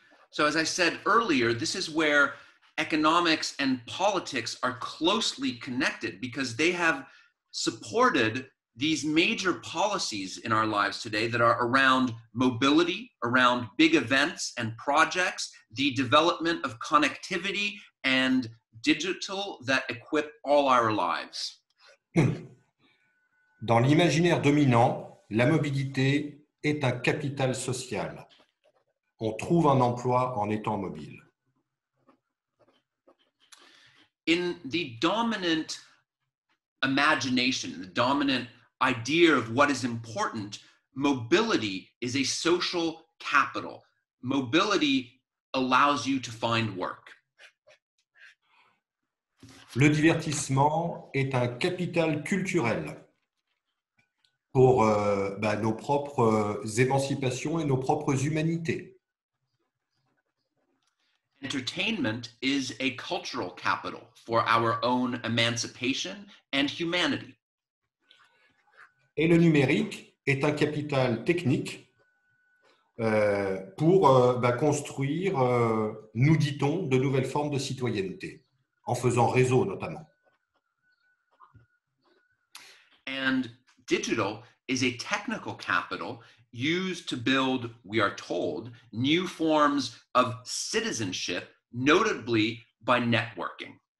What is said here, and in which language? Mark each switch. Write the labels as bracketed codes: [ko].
[en] So as I said earlier, this is where economics and politics are closely connected because they have supported these major policies in our lives today that are around mobility, around big events and projects, the development of connectivity and digital that equip all our lives. [fr] Dans l'imaginaire dominant, la mobilité est un capital social. On trouve un emploi en étant mobile. [en] In the dominant imagination, the dominant idea of what is important, mobility is a social capital. Mobility allows you to find work. [fr] Le divertissement est un capital culturel pour nos propres émancipations et nos propres humanités. [en] Entertainment is a cultural capital for our own emancipation and humanity. [fr] Et le numérique est un capital technique pour construire, nous dit-on, de nouvelles formes de citoyenneté, en faisant réseau notamment. [en] And digital is a technical capital used to build, we are told, new forms of citizenship, notably by networking.